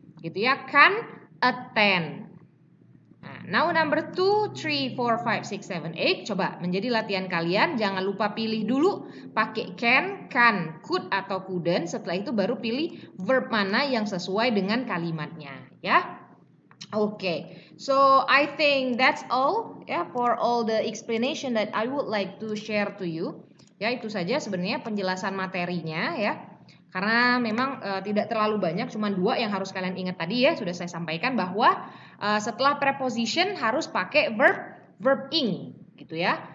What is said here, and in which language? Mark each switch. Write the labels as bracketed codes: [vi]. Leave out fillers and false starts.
[id] Gitu ya, [en] can attend. Now number 2, 3, 4, 5, 6, 7, 8. [id] Coba menjadi latihan kalian. Jangan lupa pilih dulu pakai can, could, atau couldn't. Setelah itu baru pilih verb mana yang sesuai dengan kalimatnya. Ya. Okay. [en] So I think that's all yeah, for all the explanation that I would like to share to you. [id] Ya, itu saja sebenarnya penjelasan materinya ya. Karena memang tidak terlalu banyak, cuma dua yang harus kalian ingat tadi ya, sudah saya sampaikan bahwa setelah preposition harus pakai verb-ing gitu ya.